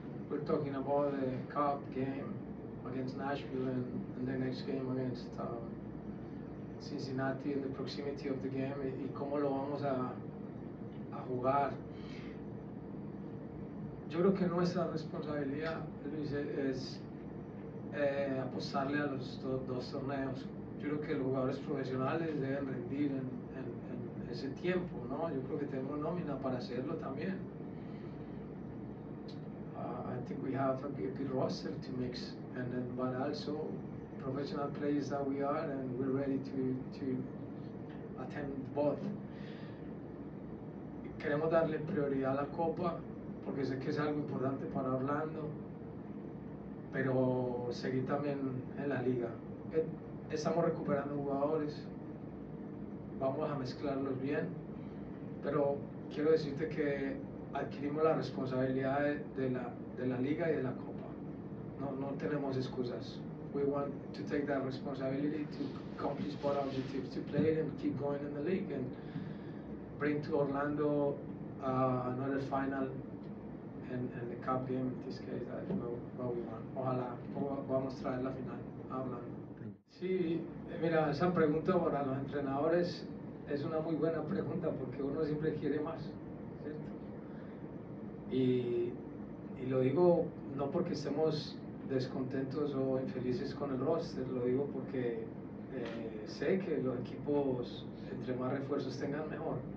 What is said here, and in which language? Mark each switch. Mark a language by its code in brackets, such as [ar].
[en] We're talking about the cup game against Nashville and the next game against Cincinnati, and the proximity of the game [es] y cómo lo vamos a jugar. Yo creo que nuestra responsabilidad, Luis, es apostarle a los dos torneos. Yo creo que los jugadores profesionales deben rendir en ese tiempo, ¿no? Yo creo que tenemos nómina para hacerlo también. [en] I think we have a good roster to mix, and then, but also professional players that we are, and we're ready to attend both. [es] Queremos darle prioridad a la Copa, porque sé que es algo importante para Orlando, pero seguir también en la Liga. Estamos recuperando jugadores, vamos a mezclarlos bien, pero quiero decirte que adquirimos la responsabilidad de la Liga y de la Copa. No tenemos excusas. [en] We want to take that responsibility to accomplish both objectives, to play and keep going in the league and bring to Orlando another final and the cup game in this case, that is what we want. [es] Ojalá podamos traer la final a Orlando. Sí, mira, esa pregunta para los entrenadores es una muy buena pregunta porque uno siempre quiere más, ¿cierto? Y lo digo no porque estemos descontentos o infelices con el roster, lo digo porque sé que los equipos, entre más refuerzos tengan, mejor.